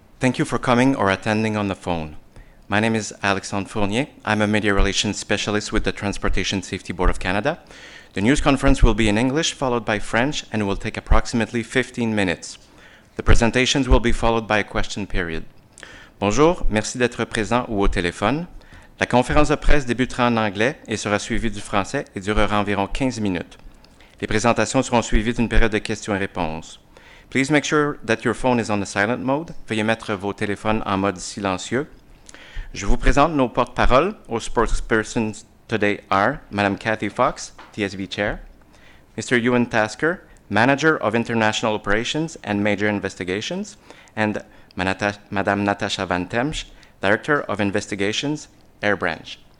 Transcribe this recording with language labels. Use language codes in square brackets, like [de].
[en] Thank you for coming or attending on the phone. My name is Alexandre Fournier. I'm a media relations specialist with the Transportation Safety Board of Canada. The news conference will be in English, followed by French, and will take approximately 15 minutes. The presentations will be followed by a question period. [fr] Bonjour, merci d'être présent ou au téléphone. La conférence de presse débutera en anglais et sera suivie du français et durera environ 15 minutes. Les présentations seront suivies d'une période de questions et réponses. [en] Please make sure that your phone is on the silent mode. [fr] Veuillez mettre vos téléphones en mode silencieux. Je vous présente nos porte-paroles. [en] Our spokespersons today are Madame Kathy Fox, TSV Chair, Mr. Ewan Tasker, Manager of International Operations and Major Investigations, and Madame Natasha Van Temsch, Director of Investigations, Air Branch.